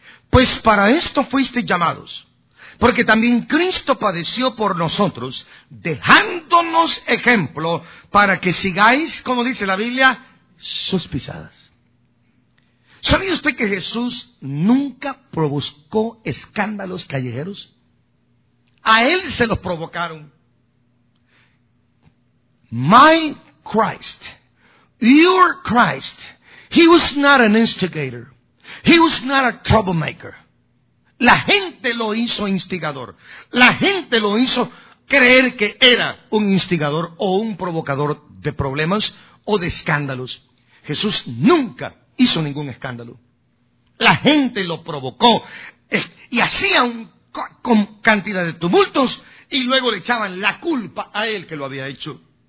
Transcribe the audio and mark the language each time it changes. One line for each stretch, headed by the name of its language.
Spanish: Pues para esto fuisteis llamados, porque también Cristo padeció por nosotros, dejándonos ejemplo para que sigáis, como dice la Biblia, sus pisadas. ¿Sabía usted que Jesús nunca provocó escándalos callejeros? A Él se los provocaron.
English: My Christ, your Christ, He was not an instigator. He was not a troublemaker.
Spanish: La gente lo hizo instigador. La gente lo hizo creer que era un instigador o un provocador de problemas o de escándalos. Jesús nunca hizo ningún escándalo. La gente lo provocó y hacía con cantidad de tumultos y luego le echaban la culpa a Él que lo había hecho.